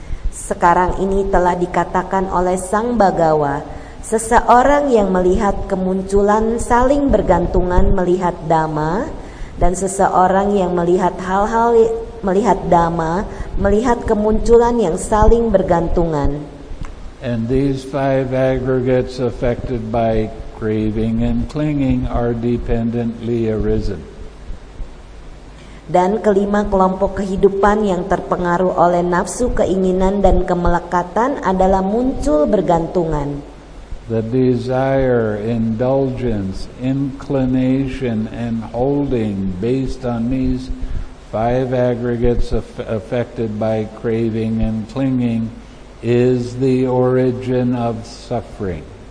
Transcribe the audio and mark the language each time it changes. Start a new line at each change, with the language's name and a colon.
Indonesian: Sekarang ini telah dikatakan oleh Sang Bhagawa, seseorang yang melihat kemunculan saling bergantungan melihat Dhamma, dan seseorang yang melihat hal-hal melihat Dhamma melihat kemunculan yang saling bergantungan.
English: And these five aggregates affected by craving and clinging are dependently arisen.
Indonesian: Dan kelima kelompok kehidupan yang terpengaruh oleh nafsu, keinginan, dan kemelekatan adalah muncul bergantungan.
English: The desire, indulgence, inclination, and holding based on these five aggregates affected by craving and clinging is the origin of suffering.